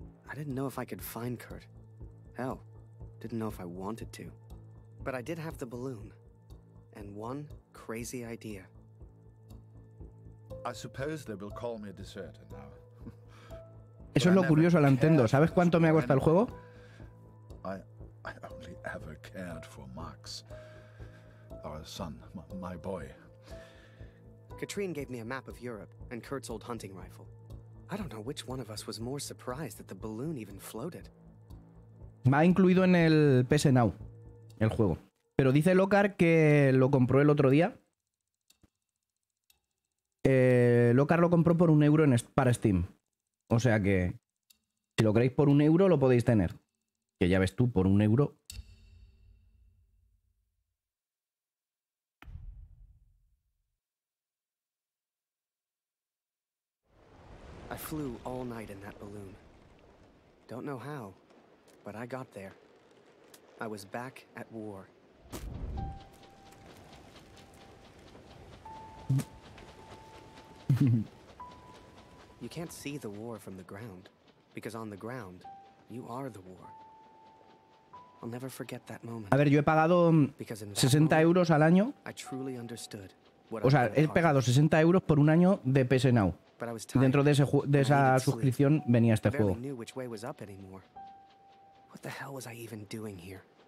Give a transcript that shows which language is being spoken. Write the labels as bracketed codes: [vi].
[en] I didn't know if I could find Kurt. Hell, didn't know if I wanted to. But I did have the balloon. And one crazy idea. I suppose they will call me a deserter now. [es] Eso es lo curioso, lo entiendo. ¿Sabes cuánto me ha costado el juego? [en] I only ever cared for Max, our son, my boy. Katrine gave me a map of Europe and Kurt's old hunting rifle. I don't know which one of us was more surprised that the balloon even floated. [es] Me ha incluido en el PS Now, el juego. Pero dice Lockhart que lo compró el otro día. Lockhart lo compró por 1 euro para Steam. O sea que, si lo queréis por 1 euro, lo podéis tener. Que ya ves tú, por 1 euro. [en] I flew all night in that balloon. Don't know how, but I got there. I was back at war. You can't see the war from the ground, because on the ground, you are the war. I'll never forget that moment. [es] A ver, yo he pagado 60 euros al año. [en] I truly understood what, [es] o sea, he pagado 60 euros por un año de PS Now. Dentro de ese de esa suscripción venía este juego. [en] What the hell was I even doing here?